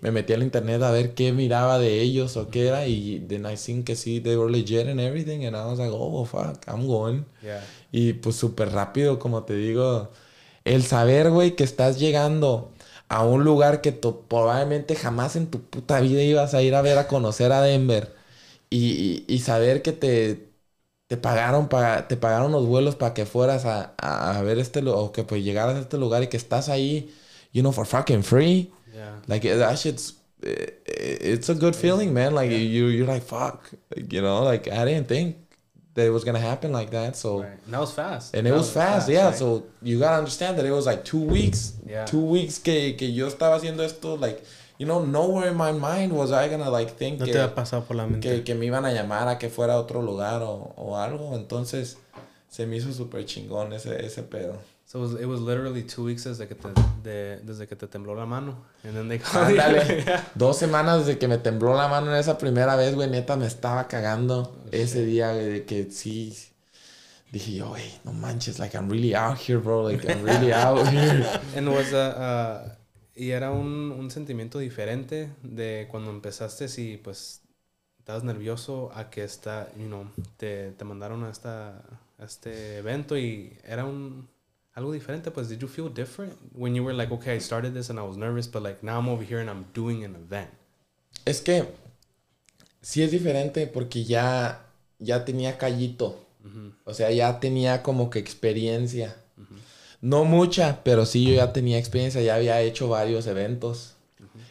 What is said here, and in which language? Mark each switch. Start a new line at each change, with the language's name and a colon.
Spanish: Me metí al internet a ver qué miraba de ellos o qué era.
English: Y then I seen
Spanish: que sí,
English: they were legit and everything. And I was like, oh, well, fuck, I'm going. Yeah.
Spanish: Y, pues, súper rápido, como te digo, el saber, güey, que estás llegando... A un lugar que tú probablemente jamás en tu puta vida ibas a ir a ver, a conocer a Denver. Y saber que te pagaron los vuelos para que fueras a ver este lugar. O que pues llegaras a este lugar y que estás ahí,
English: you know, for fucking free. Yeah. Like, that shit's... It's a good feeling, man. Like, yeah. you're like, fuck. Like, you know, like, I didn't think that it was gonna happen like that, so... Right. And that was fast. And it was fast, yeah, right? So you gotta understand that it was like 2 weeks. Yeah. 2 weeks
Spanish: que yo estaba haciendo esto,
English: like, you know, nowhere in my mind was I gonna, like, think
Spanish: no que... No te había pasado por la mente. Que me iban a llamar a que fuera a otro lugar o algo. Entonces, se me hizo súper chingón ese pedo.
English: So it was literally 2 weeks
Spanish: desde que te tembló la mano.
English: And then they called you. Ándale.
Spanish: 2 semanas desde que me tembló la mano en esa primera vez, güey. Neta, me estaba cagando ese día, güey, de que sí... Dije yo, hey, no manches,
English: like, I'm really out here, bro. Like, I'm really out here. And was a...
Spanish: Y era un sentimiento diferente de cuando empezaste, si, pues, estabas nervioso a que esta,
English: you know,
Spanish: te mandaron a este evento y era un... Algo diferente, pues,
English: did you feel different when you were like, okay, I started this and I was nervous, but, like, now I'm over here and I'm doing an event?
Spanish: Es que sí es diferente porque ya tenía callito. Uh-huh. O sea, ya tenía como que experiencia. Uh-huh. No mucha, pero sí yo ya tenía experiencia. Ya había hecho varios eventos. Uh-huh.